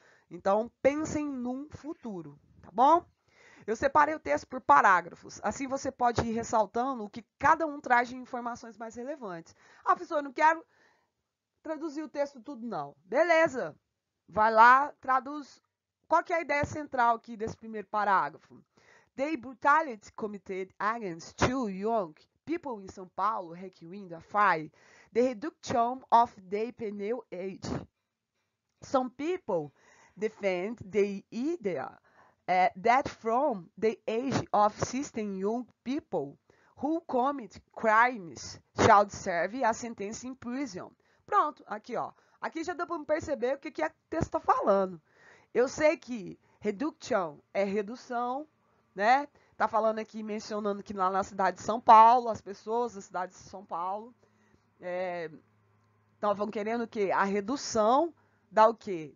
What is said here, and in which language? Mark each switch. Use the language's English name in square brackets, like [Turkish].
[Portuguese] Então, pensem num futuro, tá bom? Eu separei o texto por parágrafos, assim você pode ir ressaltando o que cada um traz de informações mais relevantes. Ah, professor, eu não quero traduzir o texto tudo, não. Beleza! Vai lá, traduz. Qual que é a ideia central aqui desse primeiro parágrafo? [English] The brutality committed against two young people in São Paulo, requiring a fine, the reduction of their penal age. Some people defend the idea that from the age of 16, young people who commit crimes shall serve a sentence in prison. [Portuguese] Pronto, aqui ó. Aqui já deu para perceber o que que é que o texto está falando. Eu sei que reduction é redução, né? Tá falando aqui, mencionando que lá na cidade de São Paulo, as pessoas da cidade de São Paulo estavam querendo o quê? A redução da o quê?